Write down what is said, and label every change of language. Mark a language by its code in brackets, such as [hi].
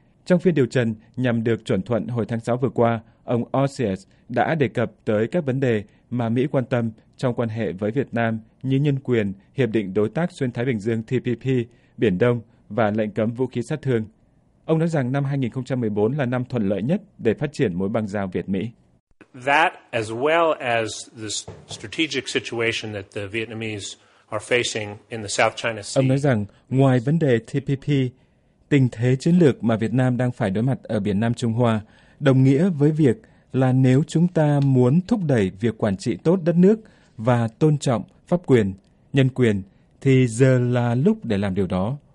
[vi] Trong phiên điều trần nhằm được chuẩn thuận hồi tháng 6 vừa qua, ông Osius đã đề cập tới các vấn đề mà Mỹ quan tâm trong quan hệ với Việt Nam như nhân quyền, Hiệp định Đối tác Xuyên Thái Bình Dương TPP, Biển Đông và lệnh cấm vũ khí sát thương. Ông nói rằng năm 2014 là năm thuận lợi nhất để phát triển mối băng giao Việt-Mỹ. [en] That as well as the strategic situation that the Vietnamese are facing in the South China Sea. [vi] Ông nói rằng ngoài vấn đề TPP, tình thế chiến lược mà Việt Nam đang phải đối mặt ở Biển Nam Trung Hoa đồng nghĩa với việc là nếu chúng ta muốn thúc đẩy việc quản trị tốt đất nước và tôn trọng pháp quyền, nhân quyền, thì giờ là lúc để làm điều đó.